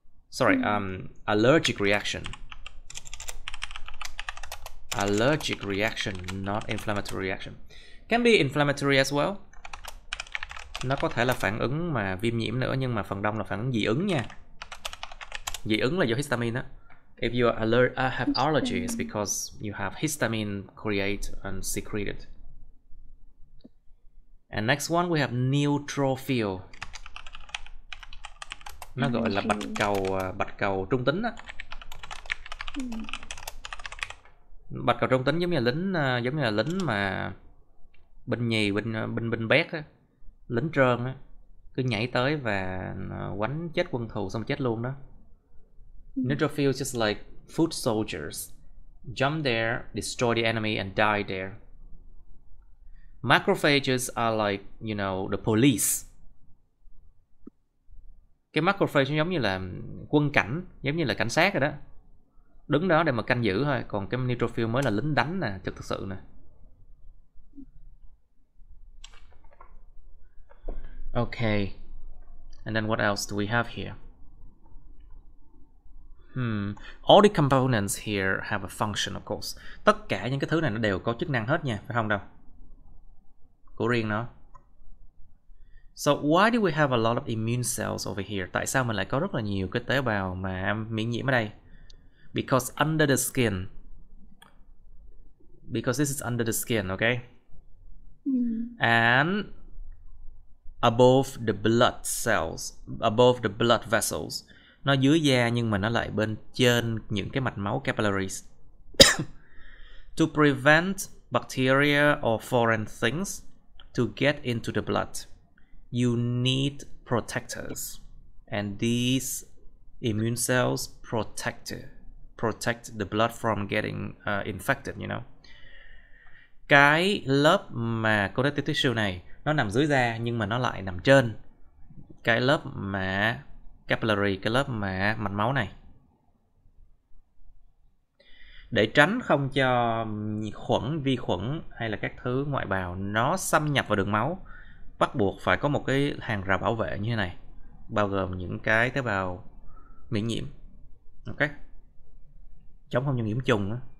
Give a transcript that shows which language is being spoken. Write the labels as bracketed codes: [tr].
[en] Sorry, allergic reaction. Allergic reaction, not inflammatory reaction. Can be inflammatory as well. [vi] Nó có thể là phản ứng mà viêm nhiễm nữa, nhưng mà phần đông là phản ứng dị ứng nha. Dị ứng là do histamine á. [en] If you are have allergy, it's because you have histamine create and secreted. And next one we have neutrophil. [vi] Nó gọi là bạch cầu trung tính á. Bạch cầu trung tính giống như là lính mà binh nhì, binh bét á, lính trơn á, cứ nhảy tới và quánh chết quân thù xong chết luôn đó. [en] Neutrophil is just like foot soldiers. Jump there, destroy the enemy and die there. Macrophages are like, you know, the police. [vi] Cái macrophage giống như là quân cảnh, giống như là cảnh sát rồi đó. Đứng đó để mà canh giữ thôi. Còn cái neutrophil mới là lính đánh nè, thực sự nè. [en] Okay. And then what else do we have here? All the components here have a function, of course. [vi] Tất cả những cái thứ này nó đều có chức năng hết nha, phải không đâu? Của riêng nó. [en] So why do we have a lot of immune cells over here? [vi] Tại sao mình lại có rất là nhiều cái tế bào mà miễn nhiễm ở đây? [en] Because under the skin. Because this is under the skin, okay? And above the blood cells, above the blood vessels. [vi] Nó dưới da nhưng mà nó lại bên trên những cái mạch máu capillaries. [en] To prevent bacteria or foreign things to get into the blood, you need protectors. And these immune cells protect the blood from getting infected, you know. [vi] Cái lớp mà connective tissue này nó nằm dưới da nhưng mà nó lại nằm trên cái lớp mà capillary, cái lớp mà mạch máu này, để tránh không cho khuẩn, vi khuẩn hay là các thứ ngoại bào nó xâm nhập vào đường máu, bắt buộc phải có một cái hàng rào bảo vệ như thế này, bao gồm những cái tế bào miễn nhiễm, ok, chống không cho nhiễm trùng.